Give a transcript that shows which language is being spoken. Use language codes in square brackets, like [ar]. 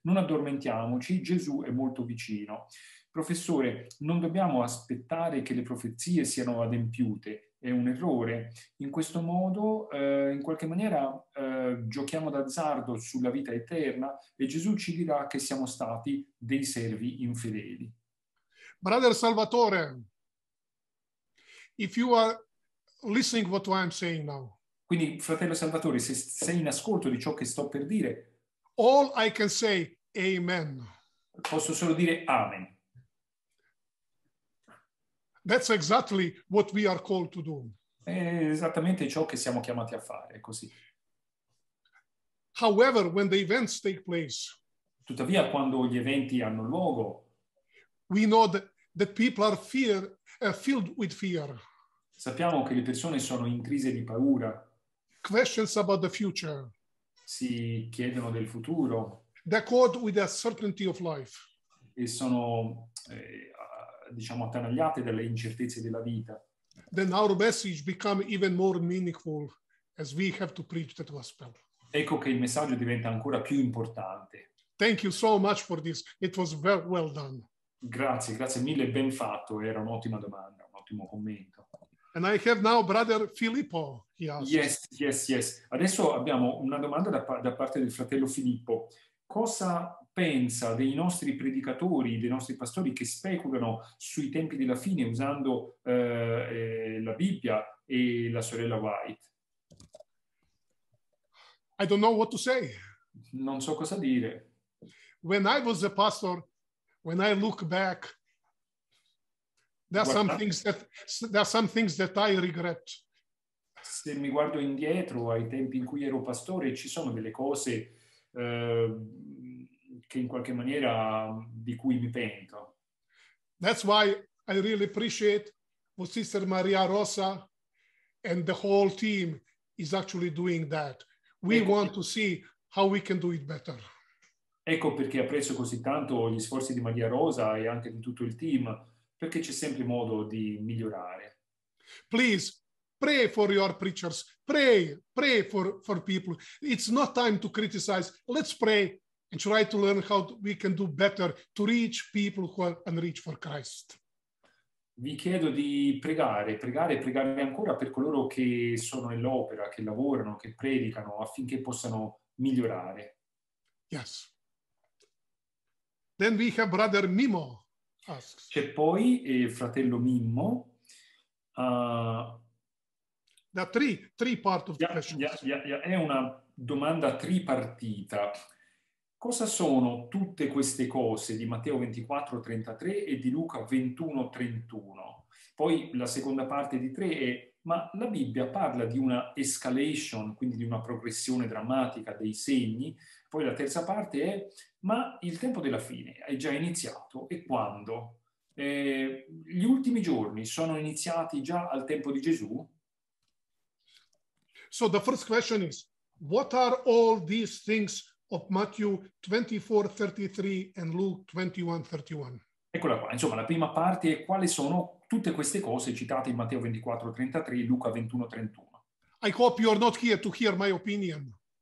[it] Non addormentiamoci, Gesù è molto vicino. Professore, non dobbiamo aspettare che le profezie siano adempiute, è un errore. In questo modo, in qualche maniera, giochiamo d'azzardo sulla vita eterna e Gesù ci dirà che siamo stati dei servi infedeli. [en] Brother Salvatore, if you are listening what I'm saying now. [it] Quindi, fratello Salvatore, se sei in ascolto di ciò che sto per dire. [en] All I can say, amen. [it] Posso solo dire amen. [en] That's exactly what we are called to do. [it] È esattamente ciò che siamo chiamati a fare, così. [en] However, when the events take place. [it] Tuttavia, quando gli eventi hanno luogo. [en] We know that people are fear. Filled with fear. [it] Sappiamo che le persone sono in crisi di paura. [en] Questions about the future. [it] Si chiedono del futuro. [en] D'accord with the certainty of life. [it] E sono, diciamo, attanagliate dalle incertezze della vita. [en] Then our message becomes even more meaningful as we have to preach that gospel. [it] Ecco che il messaggio diventa ancora più importante. [en] Thank you so much for this. It was very well done. [it] Grazie, grazie mille, ben fatto. Era un'ottima domanda, un ottimo commento. [en] And I have now brother Filippo, he asks. Yes, yes, yes. [it] Adesso abbiamo una domanda da parte del fratello Filippo. Cosa pensa dei nostri predicatori, dei nostri pastori che speculano sui tempi della fine usando la Bibbia e la sorella White? [en] I don't know what to say. [it] Non so cosa dire. [en] When I was a pastor, when I look back, there are some things that I regret. [it] Se mi guardo indietro ai tempi in cui ero pastore, ci sono delle cose che in qualche maniera di cui mi pento. [en] That's why I really appreciate what Sister Maria Rosa and the whole team is actually doing that. We want to see how we can do it better. [it] Ecco perché apprezzo così tanto gli sforzi di Maria Rosa e anche di tutto il team, perché c'è sempre modo di migliorare. [en] Please, pray for your preachers. Pray for people. It's not time to criticize. Let's pray and try to learn how we can do better to reach people who are unreached for Christ. [it] Vi chiedo di pregare ancora per coloro che sono nell'opera, che lavorano, che predicano, affinché possano migliorare. [en] Yes. Then we have brother Mimmo asks. [it] C'è poi il fratello Mimmo. [en] Da three part of the question. [it] È una domanda tripartita. Cosa sono tutte queste cose di Matteo 24:33 e di Luca 21:31? Poi la seconda parte di tre è: ma la Bibbia parla di una escalation, quindi di una progressione drammatica dei segni. Poi la terza parte è: ma il tempo della fine è già iniziato e quando? Gli ultimi giorni sono iniziati già al tempo di Gesù? [en] So the first question is: what are all these things of Matthew 24:33 and Luke 21:31? [it] Eccola qua, insomma, la prima parte è: quali sono tutte queste cose citate in Matteo 24:33 e Luca 21:31? [en] I hope you are not here to hear my opinion.